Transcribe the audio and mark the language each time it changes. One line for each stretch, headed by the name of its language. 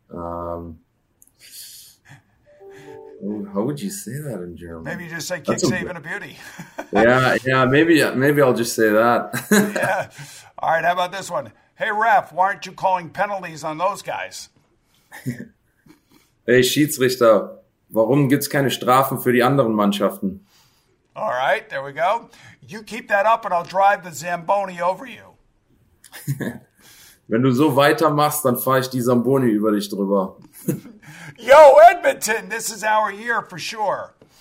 English: How would you say that in German? Maybe you just say kick save and a beauty. Maybe I'll just say that. Yeah. All right, how about this one? Hey ref, why aren't you calling penalties on those guys?
German: Hey Schiedsrichter, warum gibt's keine Strafen für die anderen Mannschaften?
English: All right, there we go. You keep that up and I'll drive the Zamboni over you.
German: Wenn du so weitermachst, dann fahre ich die Zamboni über dich drüber.
English: Yo, Edmonton, this is our year for sure.